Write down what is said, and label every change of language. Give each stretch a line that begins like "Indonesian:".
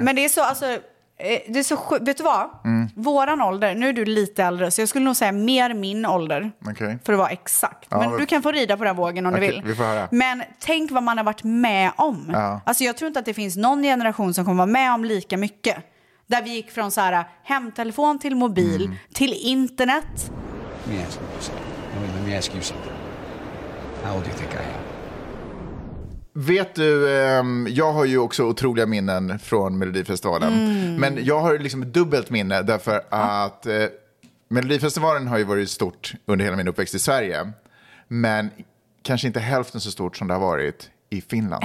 Swedish: Men det är så, alltså det är så, vet du vad? Våran ålder, nu är du lite äldre, så jag skulle nog säga mer min ålder.
English: Okay.
Swedish: För att vara exakt. Ja, men du kan få rida på den vågen om du vill. Vi får höra. Men tänk vad man har varit med om. Ja. Alltså jag tror inte att det finns någon generation som kommer vara med om lika mycket. Där vi gick från så här hemtelefon till mobil till internet.
English: Yes. Let me ask you something. How old do you think I am?
Swedish: Vet du, jag har ju också otroliga minnen från Melodifestivalen. Mm. Men jag har liksom dubbelt minne därför att Melodifestivalen har ju varit stort under hela min uppväxt i Sverige. Men kanske inte hälften så stort som det har varit i Finland.